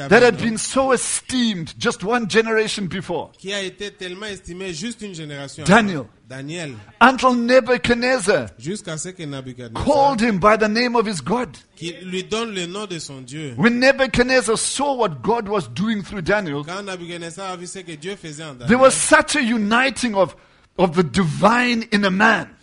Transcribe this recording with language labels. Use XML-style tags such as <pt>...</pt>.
<fr>avait</fr> <en>that had been so esteemed just one generation before.</en> <fr>Qui a été tellement estimé juste une génération</fr> <en>Daniel.</en> <fr>Avant. Daniel.</fr> <en>Until Nebuchadnezzar,</en> <fr>jusqu'à ce que Nebuchadnezzar</fr> <en>called him by the name of his God.</en> <fr>Qui lui donne le nom de son Dieu.</fr> <en>When Nebuchadnezzar saw what God was doing through Daniel,</en> <fr>quand Nebuchadnezzar a vu ce que Dieu faisait en Daniel,</fr> <en>there was such a uniting of the divine in a man.</en>